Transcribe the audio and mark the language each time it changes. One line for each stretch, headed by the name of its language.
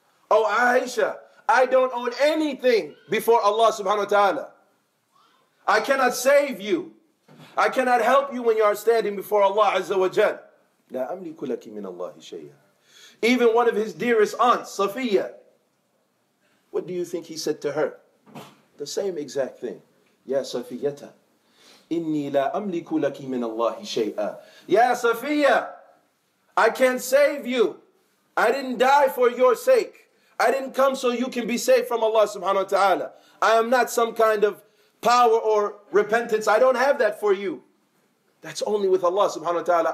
English: Oh Aisha, I don't own anything before Allah subhanahu wa ta'ala. I cannot save you. I cannot help you when you are standing before Allah Azza wa Jal.
Arabic: لا أملك لك من الله شيئا.
English: Even one of his dearest aunts, Safiya, what do you think he said to her? The same exact thing.
Arabic: Ya Safiyata, إني لا أملك لك من الله شيئا.
English: Ya Safiya, I can't save you. I didn't die for your sake. I didn't come so you can be saved from Allah subhanahu wa ta'ala. I am not some kind of power or repentance. I don't have that for you. That's only with Allah subhanahu wa ta'ala.